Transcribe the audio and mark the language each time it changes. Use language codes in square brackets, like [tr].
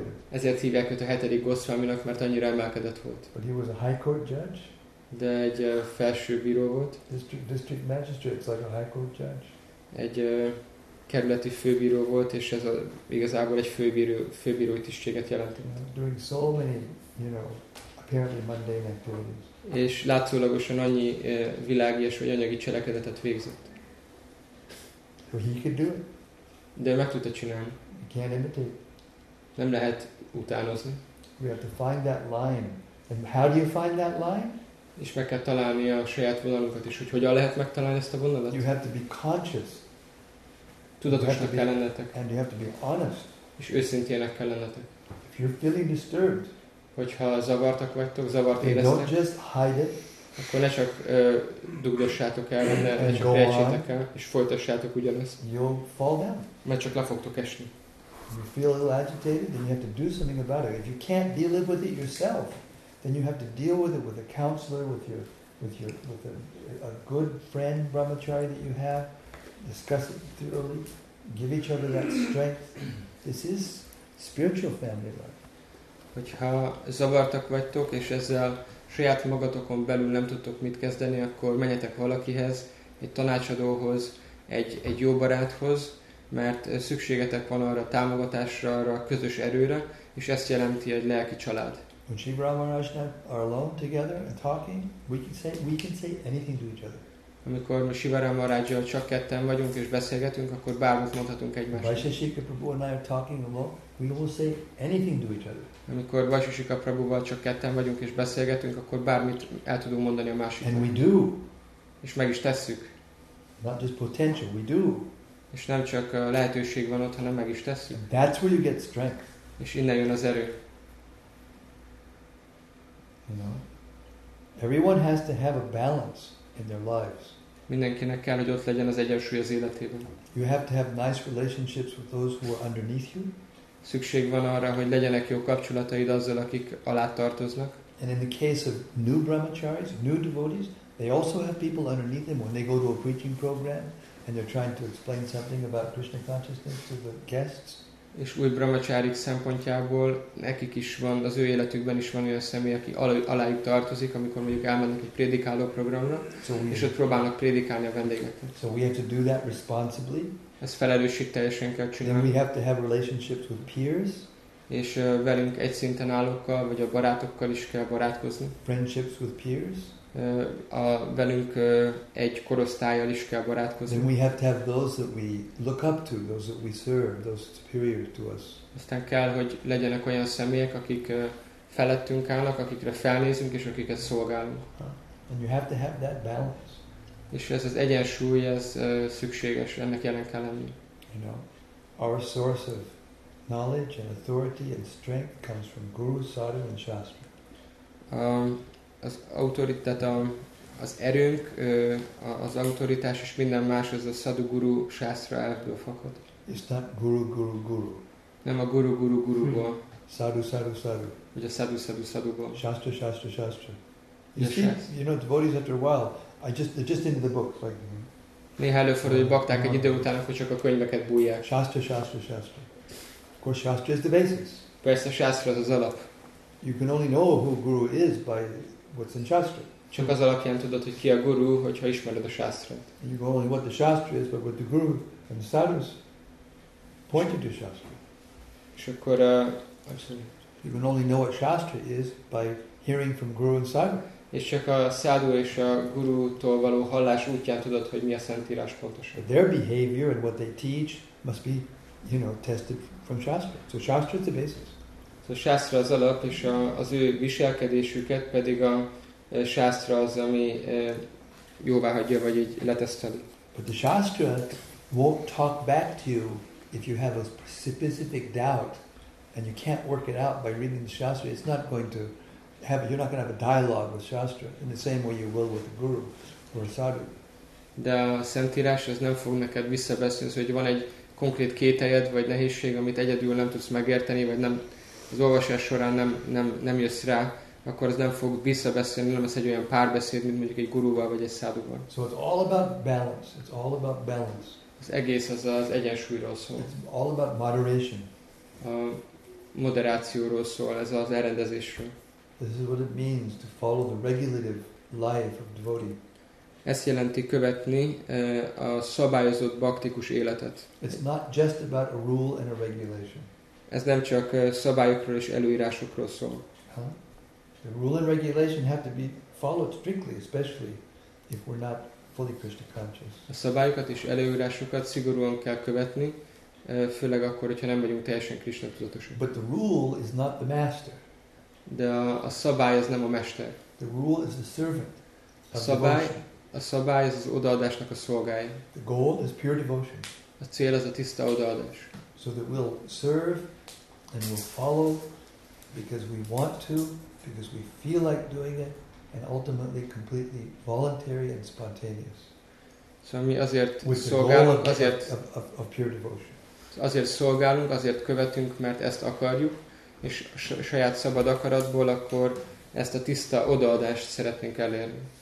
[hu] Ezért hívják őt a hetedik Goswaminak, mert annyira emelkedett volt. [en] But he was a high court judge. [hu] De egy felső bíró volt. [en] District magistrate, like a high court judge. [hu] Egy kerületi főbíró volt, és ez igazából egy főbírói tisztséget jelentett. [en] Doing so many, you know, apparently mundane activities. [hu] És látszólagosan annyi világi és vagy anyagi cselekedetet végzett. [en] Well, he could do it. [hu] De meg tudta csinálni. [en] You can't imitate. [hu] Nem lehet utánozni. [en] We have to find that line. And how do you find that line? [hu] És meg kell találni a saját vonalunkat is, hogy hogyan lehet megtalálni ezt a vonalat? [en] You have to be conscious. [hu] Tudatosnak kell lennetek. [en] And you have to be honest. [hu] És őszintének kell lennetek. [en] If you're feeling disturbed, [hu] hogyha zavartak vagytok, zavart éreztek, [en] don't just hide it, [hu] akkor ne csak dugdossátok el, ne csak rejtsétek el, és folytassátok ugyanezt. [en] You'll fall down. [hu] Mert csak le fogtok esni. [en] If you feel a little agitated, then you have to do something about it. If you can't deal with it yourself, then you have to deal with it with a counselor, with a good friend, brahmachari that you have. Discuss it thoroughly. Give each other that strength. This is spiritual family life. [hu] Hogyha zavartak vagytok, és ezzel saját magatokon belül nem tudtok mit kezdeni, akkor menjetek valakihez, egy tanácsadóhoz, egy jó baráthoz, mert szükségetek van arra a támogatásra, arra a közös erőre, és ezt jelenti egy lelki család. [en] When Sri Brahmarajnak are alone together and talking, we can say anything to each other. [hu] Amikor mi Shiva Ramarajjal csak ketten vagyunk és beszélgetünk, akkor bármit mondhatunk egymásnak. [en] Vaisheshika Prabhu and I are talking alone, we will say anything to each other. [hu] Amikor Vaisheshika Prabhuval csak ketten vagyunk és beszélgetünk, akkor bármit el tudunk mondani a másiknak. [en] And we do. [hu] És meg is tesszük. [en] Not just potential, we do. [hu] És nem csak a lehetőség van ott, hanem meg is tesszük. [en] And that's where you get strength. [hu] És innen jön az erő. [en] You know? Everyone has to have a balance in their lives. [hu] Mindenkinek kell, hogy ott legyen az egyensúly az életében. [en] You have to have nice relationships with those who are underneath you. [hu] szükség van arra, hogy legyenek jó kapcsolataid azzal, akik alá tartoznak. [en] And in the case of new brahmacharis, new devotees, they also have people underneath them when they go to a preaching program and they're trying to explain something about Krishna consciousness to the guests. [hu] És új brahmacharik szempontjából nekik is van, az ő életükben is van olyan személy, aki alájuk tartozik, amikor mondjuk elmennek egy prédikáló programra, [en] so [hu] és ott próbálnak prédikálni a vendégeknek. [en] So we have to do that responsibly. [hu] Ezt felelősség teljesen kell csinálni. [en] Then we have to have relationships with peers. [hu] És velünk egy szinten állókkal, vagy a barátokkal is kell barátkozni. [en] Friendships with peers. [hu] Velünk egy korosztályjal is kell barátkozni. [en] Then we have to have those that we look up to, those that we serve, those superior to us. [hu] Aztán kell, hogy legyenek olyan személyek, akik felettünk állnak, akikre felnézünk, és akiket szolgálunk. [en] And you have to have that balance. [hu] És ez az egyensúly, ez szükséges, ennek jelen kell lenni. [en] You know, our source of knowledge and authority and strength comes from Guru, Sadhu and Shastra. [hu] Az autoritás, az erőnk, az autoritás és minden más az a Sadhu, Guru, Shastra elvből fakad. [en] It's not Guru, Guru, Guru. [hu] Nem a Guru, Guru, Guruból. [en] Sadhu, Sadhu, Sadhu. [hu] Vagy a Sadhu, Sadhu, Sadhuból. [en] Shastra, Shastra, Shastra. You know, devotees after a while, they're just into the books, like. [hu] Néha előfordul, hogy bakták egy idő után, hogy csak a könyveket bújják. [en] Shastra, Shastra, Shastra. Of course, Shastra is the basis. [hu] Persze, Shastra az alap. [en] You can only know who Guru is by what's in Shastra. [hu] Csak az alapján tudod, hogy ki a Guru, hogyha ismered a Shastrát. [en] You can only know what the Shastra is, but what the Guru and the Sadhus pointed to Shastra. [hu] És akkor, [en] you can only know what Shastra is by hearing from Guru and Sadhu. [hu] És csak a Sadhu és a Gurútól való hallás útján tudod, hogy mi a szentírás pontosan. [en] But their behavior and what they teach must be, you know, tested from Shastra. So Shastra is the basis. [hu] So Shastra az alap, és az ő viselkedésüket pedig a Shastra az, ami jóvá hagyja, vagy így leteszteli. [en] But the Shastra won't talk back to you if you have a specific doubt and you can't work it out by reading the Shastra. It's not going to have, you're not going to have a dialogue with Shastra in the same way you will with a Guru or a Sadhu. [hu] De a szentírás az nem fog neked visszabeszélni, hogy van egy konkrét kételyed vagy nehézség, amit egyedül nem tudsz megérteni, vagy nem az olvasás során nem jössz rá, akkor az nem fog visszabeszélni, nem lesz egy olyan párbeszéd, mint mondjuk egy gurúval vagy egy sadhuval. [en] So it's all about balance. It's all about balance. [hu] Az egész az egyensúlyról szól. [en] It's all about moderation. [hu] A moderációról szól, ez az elrendezésről. [en] This is what it means to follow the regulative life of devotee. [hu] Ezt jelenti követni a szabályozott baktikus életet. [en] It's not just about a rule and a regulation. [hu] Ez nem csak szabályokról és előírásokról szól. [en] The rule and regulation have to be followed strictly, especially if we're not fully Krishna conscious. [hu] A szabályokat és előírásokat szigorúan kell követni, főleg akkor, hogyha nem vagyunk teljesen Krishna tudatosak. [en] But the rule is not the master. [hu] De a szabály az nem a mester. [en] The rule is the servant. [hu] A szabály az odaadásnak a szolgája. [en] The goal is pure devotion. [hu] A cél az a tiszta odaadás. [en] So that we'll serve and we'll follow because we want to, because we feel like doing it, and ultimately completely voluntary and spontaneous. [hu] Szóval mi azért [en] with [hu] szolgálunk, [en] the goal [hu] azért [en] of pure devotion. [hu] Azért szolgálunk, azért követünk, mert ezt akarjuk, és saját szabad akaratból akkor ezt a tiszta odaadást szeretnénk elérni.